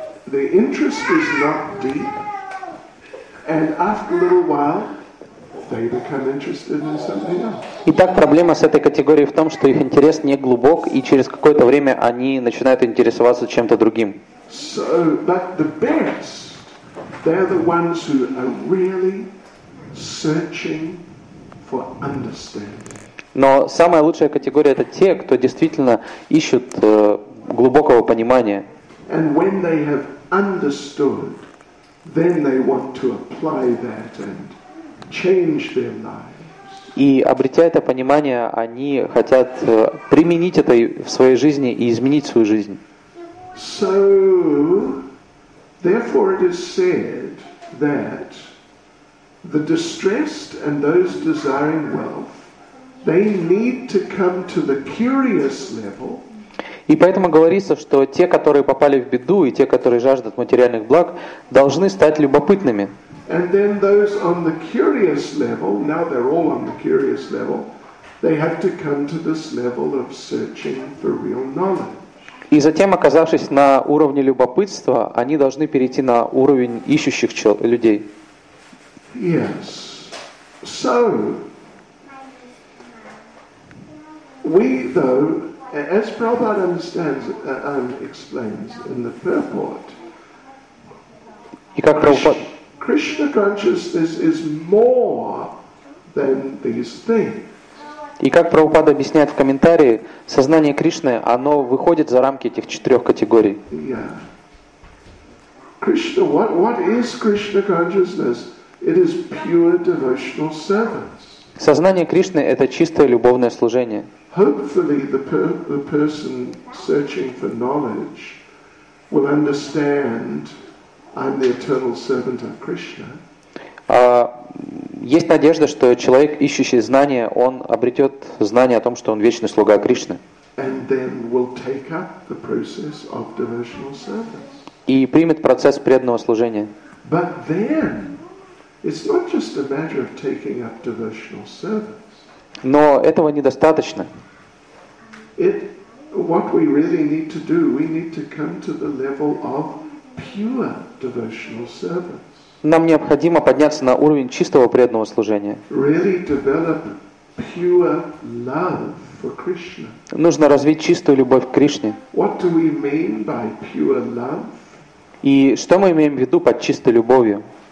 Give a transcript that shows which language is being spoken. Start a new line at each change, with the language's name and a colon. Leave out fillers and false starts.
English: The interest is not deep, and after a little while, they become interested in something else.
Russian: Итак, проблема с этой категорией в том, что их интерес не глубок, и через какое-то время они начинают интересоваться чем-то другим.
English: So, but the best, they're the ones who are really searching for understanding.
Russian: Но самая лучшая категория — это те, кто действительно ищут глубокого понимания.
English: And when they have understood, then they want to apply that and change their lives.
Russian: И обретя это понимание, они хотят применить это в своей жизни и изменить свою жизнь.
English: So, therefore it is said that the distressed and those desiring wealth, they need to come to the curious level.
Russian: И поэтому говорится, что те, которые попали в беду, и те, которые жаждут материальных благ, должны стать любопытными.
English: And then those on the curious level, now they're all on the curious level, they have to come to this level of searching for real knowledge.
Russian: И затем, оказавшись на уровне любопытства, они должны перейти на уровень ищущих людей.
English: Yes. So we, though, as Prabhupada understands and explains in the purport, Krishna consciousness is more than these things.
Russian: И как Прабхупада объясняет в комментарии, сознание Кришны, оно выходит за рамки этих четырех категорий.
English: Yeah. Krishna, what is Krishna consciousness? It is pure devotional service.
Russian: Сознание Кришны — это чистое любовное служение.
English: Hopefully, the person searching for knowledge will understand I'm the eternal servant of Krishna.
Russian: Есть надежда, что человек, ищущий знания, он обретет знание о том, что он вечный слуга Кришны.
English: And then will take up the process of devotional service.
Russian: И примет процесс преданного служения.
English: But then, it's not just a matter of taking up devotional service.
Russian: Но этого недостаточно.
English: What we really need to do, we need to come to the level of pure devotional service.
Russian: Нам необходимо подняться на уровень чистого преданного служения.
English: Really develop pure love for Krishna.
Russian: Нужно развить чистую любовь к Кришне.
English: What do we mean by pure love?
Russian: И что мы имеем в виду под чистой любовью?